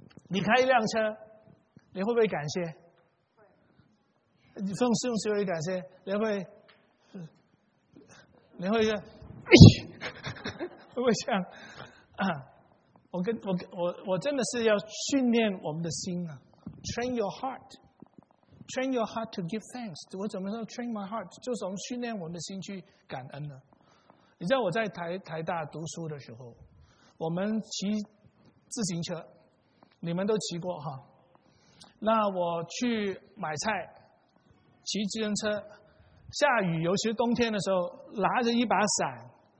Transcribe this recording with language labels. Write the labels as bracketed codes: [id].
[zh] 你开一辆车，你会不会感谢？你奉圣神会感谢，你会说，会不会这样？啊，我真的是要训练我们的心啊 ， [en] train your heart。 Train your heart to give thanks. [zh] 我怎么说 [en] train my heart? [zh] 就是从训练我们的心去感恩呢。你知道我在台大读书的时候，我们骑自行车，你们都骑过哈。那我去买菜，骑自行车，下雨，尤其是冬天的时候，拿着一把伞，